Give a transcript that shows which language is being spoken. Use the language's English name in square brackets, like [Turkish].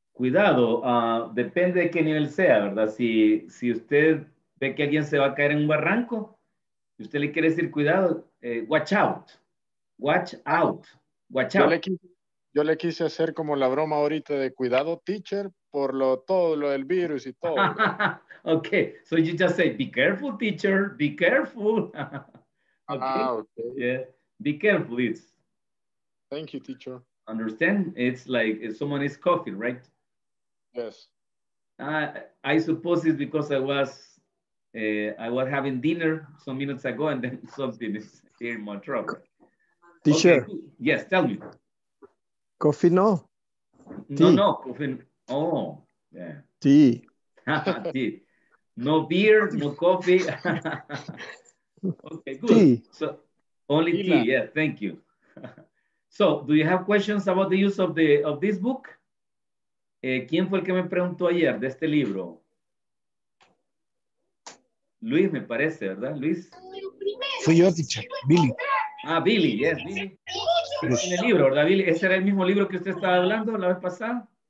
[Spanish] Cuidado, depende de qué nivel sea, ¿verdad? Si usted ve que alguien se va a caer en un barranco, y usted le quiere decir, cuidado, [English] watch out, watch out, watch out. [Spanish] Yo le quise hacer como la broma ahorita de, cuidado, teacher, por lo todo lo del virus y todo. [English] Ok, so you just say, be careful, teacher, be careful. Okay. Yeah. Be careful, please. Thank you, teacher. Understand? It's like if someone is coughing, right? Yes. I suppose it's because I was having dinner some minutes ago and then something is here in my trouble. Teacher. Okay, cool. Yes, tell me. Coffee, no. Tea. No, coffee. Oh, yeah. Tea. Tea. No beer, no coffee. Okay, good. Tea. So only tea, tea. Yeah, thank you. So do you have questions about the use of this book? [Spanish] ¿Quién fue el que me preguntó ayer de este libro? Luis, me parece, ¿verdad? Luis. Fui yo, teacher. Billy. Ah, Billy, yes, Billy. Sí. En el libro, ¿verdad, Billy? ¿Ese era el mismo libro que usted estaba hablando la vez pasada?